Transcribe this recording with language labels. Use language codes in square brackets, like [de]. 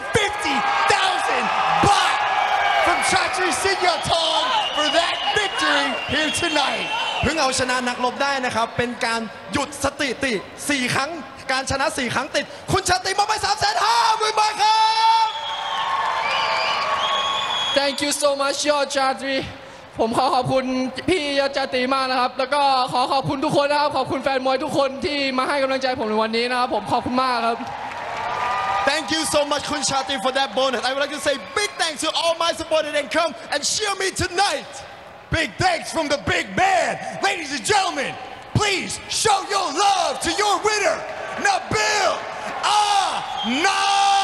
[en] 350,000 baht from Chatri Sinyatong for that victory here tonight. [th] เพิ่งเอาชนะนักรบได้นะครับเป็นการหยุดสถิติ4ครั้งการชนะ4ครั้งติดคุณชาติมาไป 350,000 บาทครับ [en] Thank you so much, your Chatri [th] ผมขอขอบคุณพี่ยจติมากนะครับแล้วก็ขอขอบคุณทุกคนนะครับขอบคุณแฟนมวยทุกคนที่มาให้กำลังใจผมในวันนี้นะครับผมขอบคุณมากครับ [en] Thank you so much คุณชาติ for that bonus I would like to say big thanks to all my supporters and come and cheer me tonight Big thanks from the big man Ladies and gentlemen Please show your love to your winner Nabil Adnan